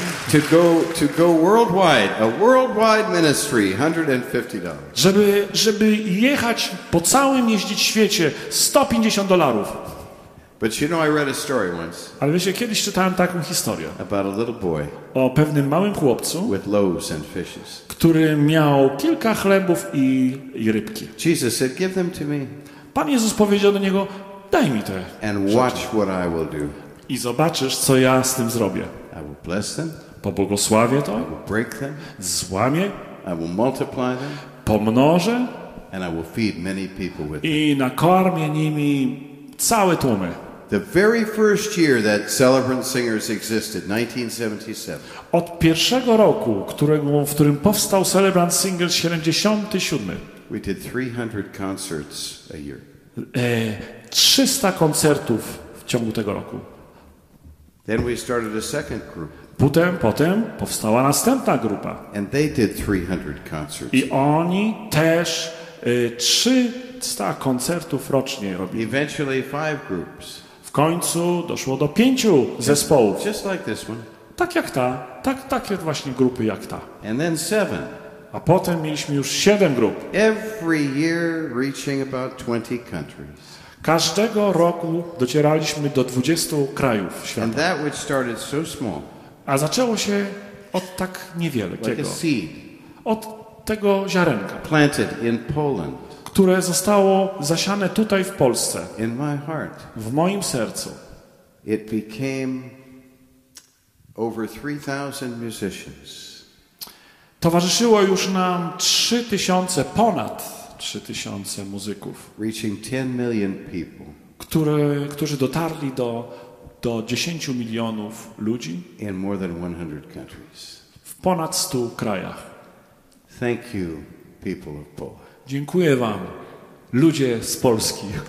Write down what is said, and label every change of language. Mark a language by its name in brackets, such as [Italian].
[English] To go worldwide, a worldwide ministry, $150. [Polish] Żeby jechać po całym jeździć świecie, $150. [English] But you know, I read a story once. [Polish] Ale wiecie, kiedyś czytałem taką historię. [English] About a little boy. [Polish] O pewnym małym chłopcu. [English] With loaves and fishes. [Polish] Który miał kilka chlebów i rybki. [English] Jesus said, "Give them to me." [Polish] Pan Jezus powiedział do niego, daj mi te. [English] And watch what I will do. [Polish] I zobaczysz, co ja z tym zrobię. [English] I will bless them. [Polish] Pobłogosławię to. [English] I will break them. [Polish] Złamię. [English] I will multiply them. [Polish] Pomnożę. [English] And I will feed many people with them. [Polish] I nakarmię nimi całe tłumy. [English] The very first year that Celebrant Singers existed, 1977. [Polish] Od pierwszego roku, w którym powstał Celebrant Singers 77. [English] We did 300 concerts a year. [Polish] 300 koncertów w ciągu tego roku. [English] Then we started a second group. [Polish] Potem powstała następna grupa. [English] And they did 300 concerts. [Polish] I oni też 300 koncertów rocznie robili. [English] Eventually five groups. [Polish] W końcu doszło do 5 zespołów. [English] Just like this one. [Polish] Tak jak ta, takie właśnie grupy jak ta. [English] And then 7. [Polish] A potem mieliśmy już 7 grup. [English] Every year reaching about 20 countries. [Polish] Każdego roku docieraliśmy do 20 krajów świata. [English] And that which started so small, [Polish] a zaczęło się od tak niewielkiego. [English] Like a seed, [Polish] od tego ziarenka. [English] Planted in Poland. [Polish] które zostało zasiane tutaj w Polsce, [English] in my heart, [Polish] w moim sercu. [English] It became over 3,000 musicians. [Polish] Towarzyszyło już nam 3000, ponad 3000 muzyków, [English] reaching 10 million people, [Polish] którzy dotarli do 10 milionów ludzi [English] in more than 100 countries. [Polish] W ponad 100 krajach. [English] Thank you, people of Poland. [Polish] Dziękuję wam, ludzie z Polski.